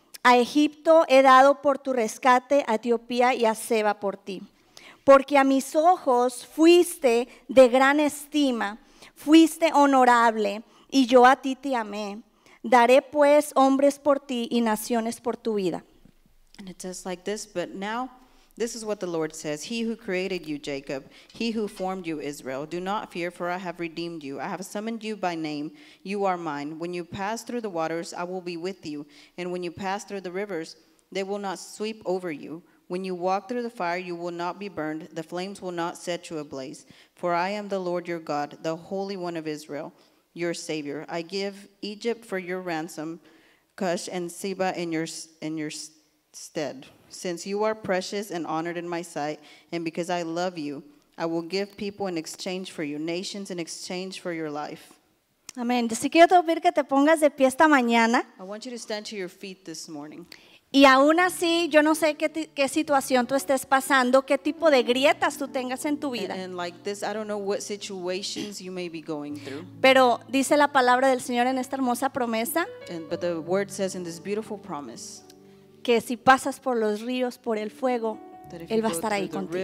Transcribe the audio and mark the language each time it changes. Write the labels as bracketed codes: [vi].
[es] A Egipto he dado por tu rescate, a Etiopía y a Seba por ti. Porque a mis ojos fuiste de gran estima, fuiste honorable y yo a ti te amé. Daré pues hombres por ti y naciones por tu vida. [en] And it says like this, but now This is what the Lord says. He who created you, Jacob, he who formed you, Israel, do not fear, for I have redeemed you. I have summoned you by name. You are mine. When you pass through the waters, I will be with you. And when you pass through the rivers, they will not sweep over you. When you walk through the fire, you will not be burned. The flames will not set you ablaze. For I am the Lord your God, the Holy One of Israel, your Savior. I give Egypt for your ransom, Cush and Seba in your stead. Since you are precious and honored in my sight, and because I love you, I will give people in exchange for you, nations in exchange for your life. [es] Amén. Así quiero te pedir que te pongas de pie esta mañana. [en] I want you to stand to your feet this morning. [es] Y aún así, yo no sé qué situación tú estés pasando, qué tipo de grietas tú tengas en tu vida. [en] And like this, I don't know what situations you may be going through. [es] Pero dice la palabra del Señor en esta hermosa promesa. [en] But the word says in this beautiful promise. [es] Que si pasas por los ríos, por el fuego, Él va a estar ahí contigo.